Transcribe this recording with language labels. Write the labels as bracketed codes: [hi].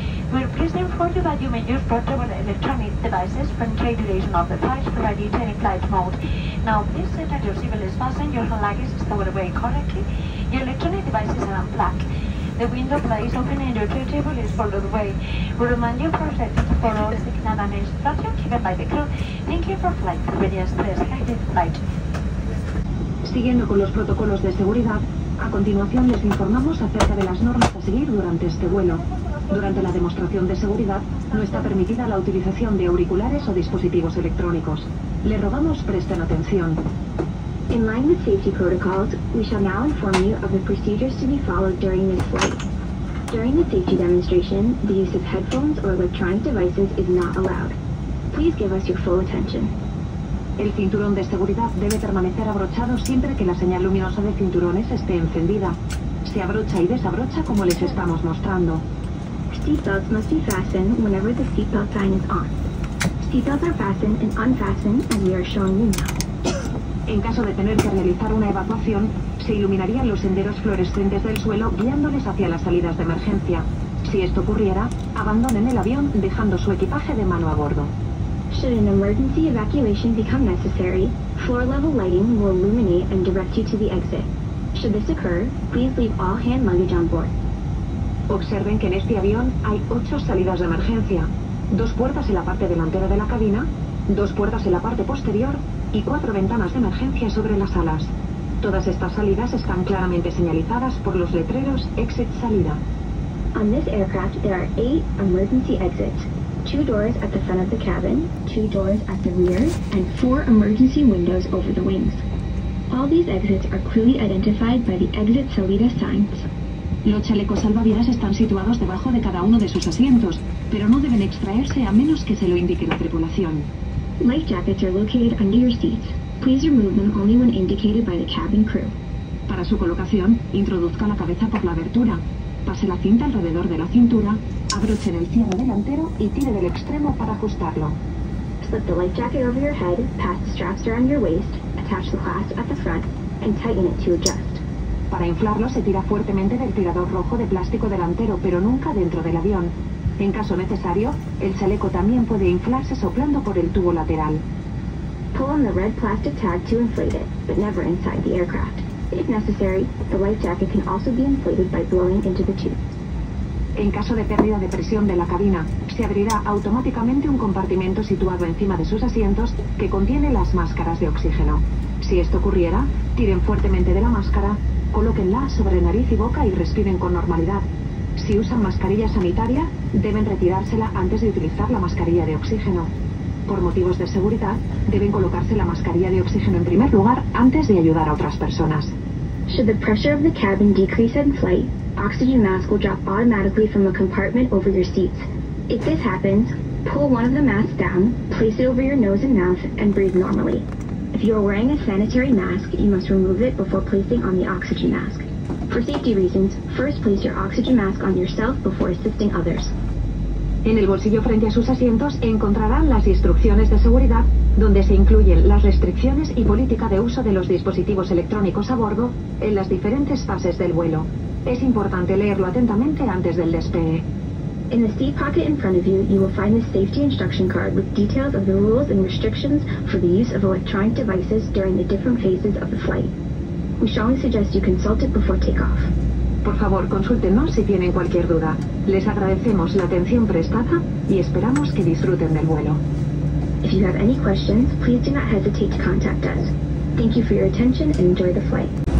[en] We're pleased to inform you that you may use portable electronic devices for the duration of the flight to provide you any flight mode. Now, please sit at your seatbelt is fastened, your hand luggage is stowed away correctly, your electronic devices are unplugged. The window plate is open and your tray table is folded away. We remind you for safety to follow the signal and instruction given by the crew. Thank you for flight. Iberia Express, guided flight. [es] Siguiendo con los protocolos de seguridad, a continuación les informamos acerca de las normas a seguir durante este vuelo. Durante la demostración de seguridad, no está permitida la utilización de auriculares o dispositivos electrónicos. Le rogamos presten atención. [en] In line with safety protocols, we shall now inform you of the procedures to be followed during this flight. During the safety demonstration, the use of headphones or electronic devices is not allowed. Please give us your full attention. [es] El cinturón de seguridad debe permanecer abrochado siempre que la señal luminosa de cinturones esté encendida. Se abrocha y desabrocha como les estamos mostrando. [en] Seatbelts must be fastened whenever the seatbelt sign is on. Seatbelts are fastened and unfastened as we are showing you now. [es] En caso de tener que realizar una evacuación, se iluminarían los senderos fluorescentes del suelo guiándoles hacia las salidas de emergencia. Si esto ocurriera, abandonen el avión dejando su equipaje de mano a bordo. [en] Should an emergency evacuation become necessary, floor-level lighting will illuminate and direct you to the exit. Should this occur, please leave all hand luggage on board. [es] Observen que en este avión hay 8 salidas de emergencia, 2 puertas en la parte delantera de la cabina, 2 puertas en la parte posterior y 4 ventanas de emergencia sobre las alas. Todas estas salidas están claramente señalizadas por los letreros Exit-Salida. [en] On this aircraft there are 8 emergency exits. 2 doors at the front of the cabin, 2 doors at the rear, and 4 emergency windows over the wings. All these exits are clearly identified by the exit salida signs. [es] Los chalecos salvavidas están situados debajo de cada uno de sus asientos, pero no deben extraerse a menos que se lo indique la tripulación. [en] Life jackets are located under your seats. Please remove them only when indicated by the cabin crew. [es] Para su colocación, introduzca la cabeza por la abertura. Pase la cinta alrededor de la cintura, abroche el cierre delantero y tire del extremo para ajustarlo. [en] Slip the life jacket over your head, pass the straps around your waist, attach the clasp at the front, and tighten it to adjust. [es] Para inflarlo se tira fuertemente del tirador rojo de plástico delantero, pero nunca dentro del avión. En caso necesario, el chaleco también puede inflarse soplando por el tubo lateral. [en] Pull on the red plastic tag to inflate it, but never inside the aircraft. If necessary, the life jacket can also be inflated by blowing into the tube. [es] En caso de pérdida de presión de la cabina, se abrirá automáticamente un compartimento situado encima de sus asientos que contiene las máscaras de oxígeno. Si esto ocurriera, tiren fuertemente de la máscara, colóquenla sobre nariz y boca y respiren con normalidad. Si usan mascarilla sanitaria, deben retirársela antes de utilizar la mascarilla de oxígeno. Por motivos de seguridad, deben colocarse la mascarilla de oxígeno en primer lugar antes de ayudar a otras personas. [en] Should the pressure of the cabin decrease in flight, oxygen masks will drop automatically from a compartment over your seats. If this happens, pull one of the masks down, place it over your nose and mouth, and breathe normally. If you are wearing a sanitary mask, you must remove it before placing on the oxygen mask. For safety reasons, first place your oxygen mask on yourself before assisting others. [es] En el bolsillo frente a sus asientos encontrarán las instrucciones de seguridad, donde se incluyen las restricciones y política de uso de los dispositivos electrónicos a bordo en las diferentes fases del vuelo. Es importante leerlo atentamente antes del despegue. [en] In the seat pocket in front of you, you will find the safety instruction card with details of the rules and restrictions for the use of electronic devices during the different phases of the flight. We strongly suggest you consult it before takeoff. [es] Por favor, consúltenos si tienen cualquier duda. Les agradecemos la atención prestada y esperamos que disfruten del vuelo. [en] If you have any questions, please do not hesitate to contact us. Thank you for your attention and enjoy the flight.